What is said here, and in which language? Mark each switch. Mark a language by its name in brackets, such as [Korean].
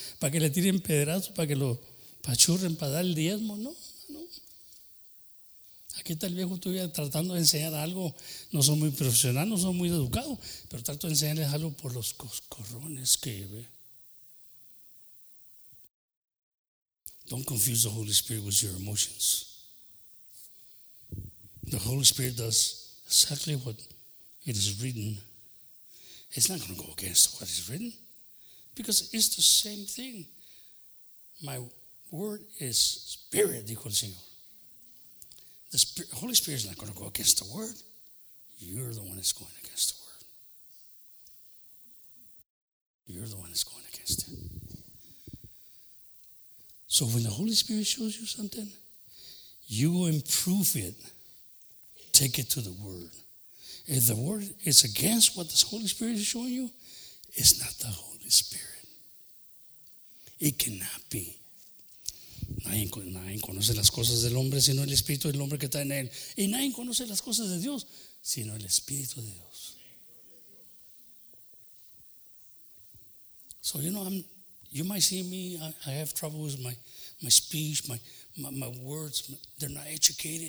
[Spanish] Para que le tiren pedazos, para que lo pachurren, para dar el diezmo, ¿no? ¿No? Aquí está el viejo todavía tratando de enseñar algo. No son muy profesionales, no son muy educados, pero trato de enseñarles algo por los coscorrones que ve. [English] Don't confuse the Holy Spirit with your emotions. The Holy Spirit does exactly what it is written. It's not going to go against what is written. Because it's the same thing. My word is spirit, [Spanish] dijo el Señor. [English] The Spirit, Holy Spirit is not going to go against the word. You're the one that's going against the word. You're the one that's going against it. So when the Holy Spirit shows you something, you will improve it. Take it to the Word. If the Word is against what the Holy Spirit is showing you, it's not the Holy Spirit. It cannot be. [Spanish] Nadie conoce las cosas del hombre sino el Espíritu del hombre que está en él. Y nadie conoce las cosas de Dios sino el Espíritu de Dios. [English] So, you know, you might see me, I have trouble with my speech, my words, they're not educated.